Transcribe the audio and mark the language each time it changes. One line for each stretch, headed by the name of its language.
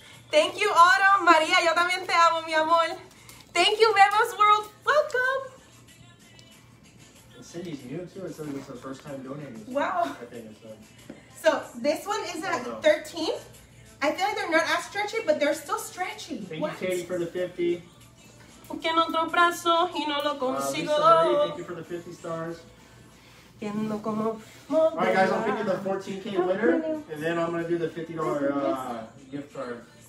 English: Thank you, Autumn. Maria,
Spanish: yo también te amo, mi amor.
English: Thank you, Bebos World. Welcome. And Cindy's new, too. It says it's her first time donating. Wow. I think it's done. So, this one is at 13. I feel like they're not as stretchy, but they're still stretchy. Thank what? You, Katie, for the 50.
Spanish: Porque en otro brazo y no lo consigo.
English: Lisa Marie, thank you for the 50 stars. All right, guys, I'm picking the 14K winner, and then I'm going to do the $50 gift card.